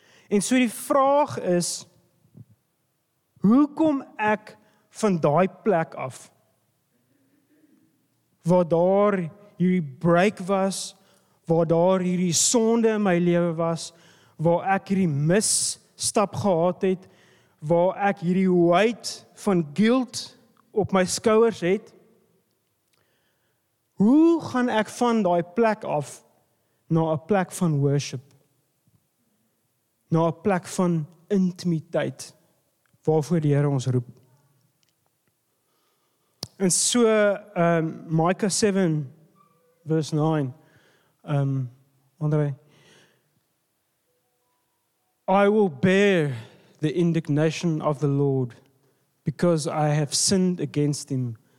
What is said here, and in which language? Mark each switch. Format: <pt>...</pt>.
<af>En so die vraag is, hoe kom ek van die plek af, waar daar hierdie break was, waar daar hierdie sonde in my lewe was, waar ek hierdie misstap gehad het, waar ek hierdie weight van guilt op my skouers het, hoe gaan ek van die plek af na 'n plek van worship? Na een plek van intimiteit, waarvoor die Heere ons roep. En so,</af> <en>Micah 7, vers 9, André, I will bear the indignation of the Lord, because I have sinned against him.</en>